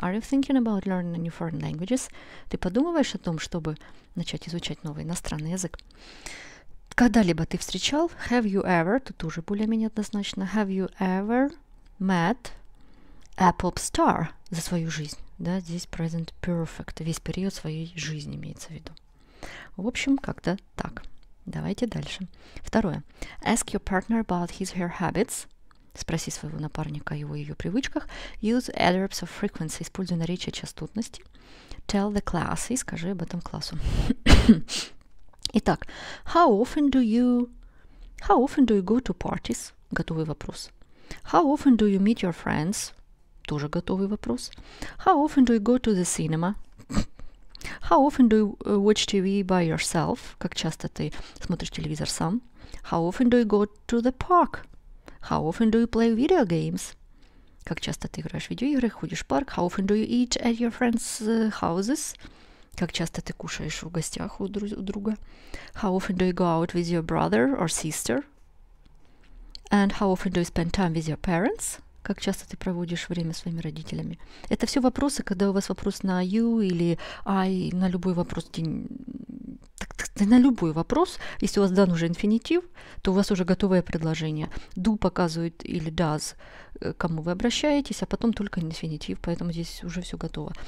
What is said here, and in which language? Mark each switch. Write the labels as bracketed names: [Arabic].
[English] Are you thinking about learning new foreign languages? [Russian] Ты подумываешь о том, чтобы начать изучать новый иностранный язык? Когда-либо ты встречал? [English] Have you ever? [Russian] Тут уже более-менее однозначно. [English] Have you ever met a pop star [Russian] за свою жизнь? Да, здесь present perfect. Весь период своей жизни имеется в виду. В общем, как-то так. Давайте дальше. Второе. [English] Ask your partner about his or her habits. [Russian] Спроси своего напарника о его ее привычках. [English] Use adverbs of frequency. [Russian] Используй наречия частотности. [English] Tell the class. [Russian] И скажи об этом классу. Итак. [English] How often do you go to parties? [Russian] Готовый вопрос. [English] How often do you meet your friends? [Russian] Тоже готовый вопрос. [English] How often do you go to the cinema? How often do you watch TV by yourself? [Russian] Как часто ты смотришь телевизор сам? [English] How often do you go to the park? How often do you play video games? [Russian] Как часто ты играешь в видеоигры, ходишь в парк? [English] How often do you eat at your friends' houses? [Russian] Как часто ты кушаешь в гостях у друга? [English] How often do you go out with your brother or sister? And how often do you spend time with your parents? [Russian] Как часто ты проводишь время своими родителями? Это все вопросы, когда у вас вопрос на you или I, на любой вопрос, на любой вопрос, если у вас дан уже инфинитив, то у вас уже готовое предложение. Do показывает или does, кому вы обращаетесь, а потом только инфинитив, поэтому здесь уже все готово.